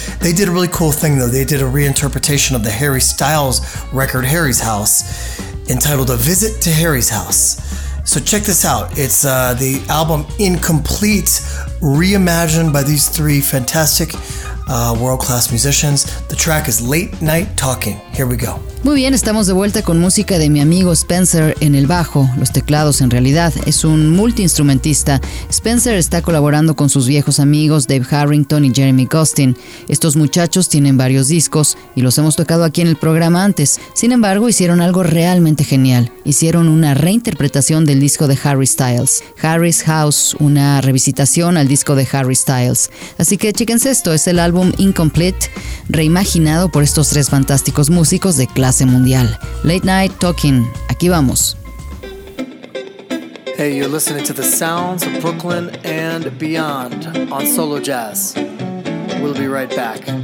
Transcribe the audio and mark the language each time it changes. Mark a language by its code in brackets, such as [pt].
[en] They did a really cool thing, though. They did a reinterpretation of the Harry Styles record, Harry's House, entitled A Visit to Harry's House. So check this out. It's the album Incomplete, reimagined by these three fantastic world-class musicians. The track is Late Night Talking. Here we go. [es] Muy bien, estamos de vuelta con música de mi amigo Spencer en el bajo, los teclados en realidad. Es un multiinstrumentista. Spencer está colaborando con sus viejos amigos Dave Harrington y Jeremy Gustin. Estos muchachos tienen varios discos y los hemos tocado aquí en el programa antes. Sin embargo, hicieron algo realmente genial. Hicieron una reinterpretación del disco de Harry Styles. Harry's House, una revisitación al disco de Harry Styles. Así que chéquense esto, es el álbum Incomplete, reimaginado por estos tres fantásticos músicos de clase mundial. Late Night Talking, aquí vamos. [en] Hey, you're listening to the sounds of Brooklyn and beyond on Solo Jazz. We'll be right back.